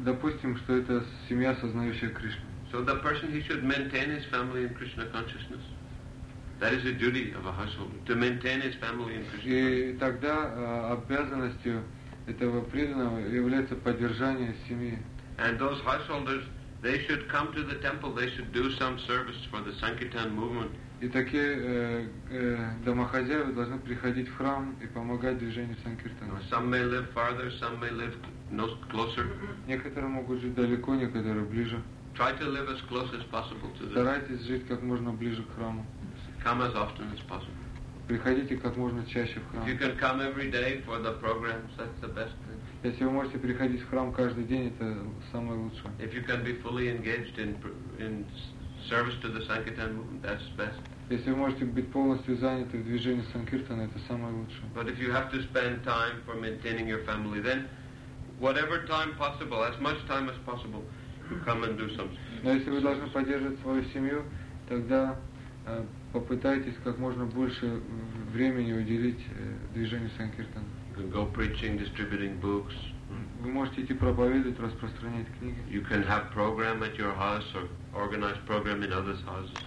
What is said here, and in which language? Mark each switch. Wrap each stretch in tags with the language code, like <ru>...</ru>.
<ru>Допустим, что это семья, сознающая Кришну.</ru> <en>So the person, he should maintain his family in Krishna consciousness. That is the duty of a household, to maintain his family in Krishna consciousness.</en> <ru>И тогда обязанностью этого преданного является поддержание семьи.</ru> <en>And those householders, they should come to the temple, they should do some service for the Sankirtan movement.</en> <ru>И такие домохозяева должны приходить в храм и помогать движению Санкиртана.</ru> <en>Some may live farther, some may live closer.</en> <ru>Некоторые могут жить далеко, некоторые ближе.</ru> <en>Try to live as close as possible to the...</en> <ru>Старайтесь жить как можно ближе к храму.</ru> <en>Come as often as possible.</en> <ru>Приходите как можно чаще в храм.</ru> <en>If you can come every day for the programs, that's the best thing.</en> <ru>Если вы можете приходить в храм каждый день, это самое лучшее.</ru> <en>If you can be fully engaged in service to the Sankirtan movement, that's best.</en> <ru>Если вы можете быть полностью заняты в движении Санкиртана, это самое лучшее.</ru> <en>But if you have to spend time for maintaining your family, then whatever time possible, as much time as possible, you come and do something.</en> <ru>Но если вы должны поддерживать свою семью, тогда попытайтесь как можно больше времени уделить движению Санкиртана.</ru> <en>You can go preaching, distributing books.</en> <ru>Вы можете идти проповедовать, распространять книги.</ru> <en>You can have program at your house or organize program in others' houses.</en>